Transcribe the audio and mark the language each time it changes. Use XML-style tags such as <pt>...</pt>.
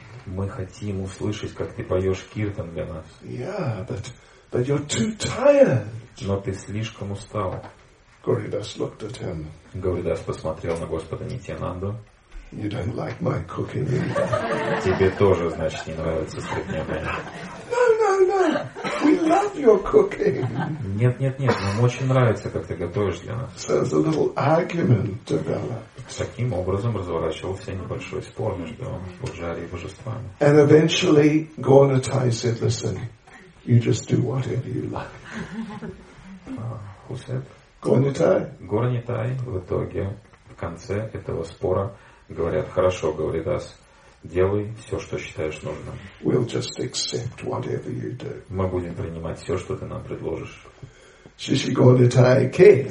<ru>Мы хотим услышать, как ты поешь киртан для нас.</ru> <en>Yeah, but you're too tired.</en> <ru>Но ты слишком устал.</ru> <en>Гауридас looked at him.</en> <ru>Гауридас посмотрел на Господа Нитянанду.</ru> <en>You don't like my cooking either.</en> <ru>Тебе тоже, значит, не нравится стрипня моя.</ru> <en>No, no, no. We love your cooking.</en> <ru>Нет, нет, нет. Нам очень нравится, как ты готовишь для нас.</ru> <en>So there's a little argument developed.</en> <ru>Таким образом разворачивался небольшой спор между Пуджари и божествами.</ru> <en>And eventually Gaurinathai said, "Listen, you just do whatever you like." Who said? Gaurinathai.</en> <ru>Gaurinathai в итоге в конце этого спора говорят, хорошо, говорит Ас, делай все, что считаешь нужным.</ru> <en>We'll just accept whatever you do.</en> <ru>Мы будем принимать все, что ты нам предложишь. Шиши Гуранитай ки.</ru>